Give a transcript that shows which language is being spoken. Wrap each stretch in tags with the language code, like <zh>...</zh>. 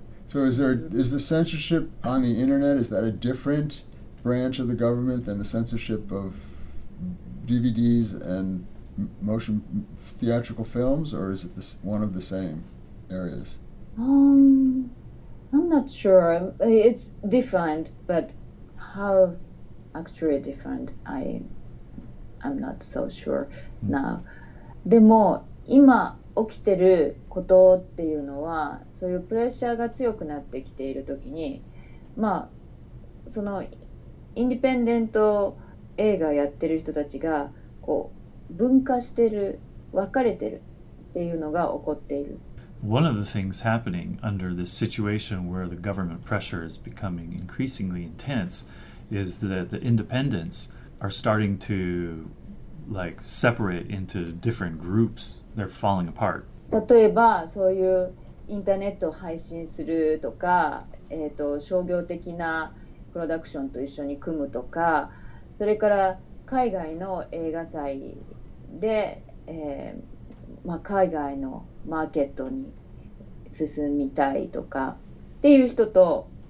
<en>So is the censorship on the internet, is that a different branch of the government than the censorship of DVDs and motion theatrical films, or is it one of the same areas? I'm not sure. It's different, but how actually different, I'm not so sure now.</en> <ja>でも今起きてることっていうのは、そういうプレッシャーが強くなってきているときに、まあそのインディペンデント映画やってる人たちがこう分化してる、分かれてるっていうのが起こっている。</ja> <en>One of the things happening under this situation where the government pressure is becoming increasingly intense is that the independents are starting to like separate into different groups. They're falling apart.</en> <ja>例えばそういうインターネットを配信するとか、商業的なプロダクションと一緒に組むとか、それから海外の映画祭で、海外のマーケットに進みたいとかっていう人と、</ja>